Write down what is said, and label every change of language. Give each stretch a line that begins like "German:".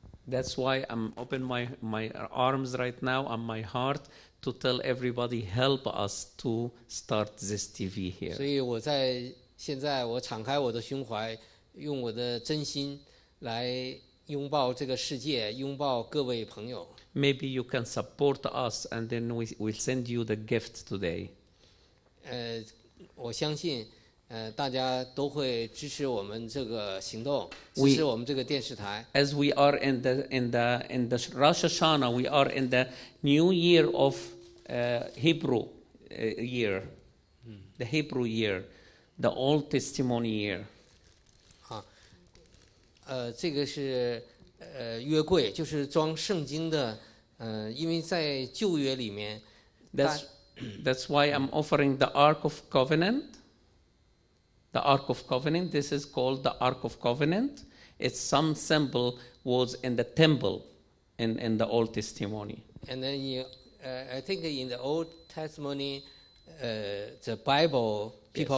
English: That's why I'm open my arms right now and my heart. To tell everybody, help us to start this TV here.
Chinese: 所以我在现在，我敞开我的胸怀，用我的真心来拥抱这个世界，拥抱各位朋友。
English: Maybe you can support us, and then we'll send you the gift today.
Chinese: 我相信，大家都会支持我们这个行动，支持我们这个电视台。
English: As we are in the Rosh Hashanah, we are in the New Year of Hebrew year, the Hebrew year, the Old Testament year.
Chinese: 这个是约柜，就是装圣经的。因为在旧约里面
English: ，That's why I'm offering the Ark of Covenant. The Ark of Covenant. This is called the Ark of Covenant. It's some symbol was in the temple, in the Old Testament. And then I think in the Old Testament, the Bible people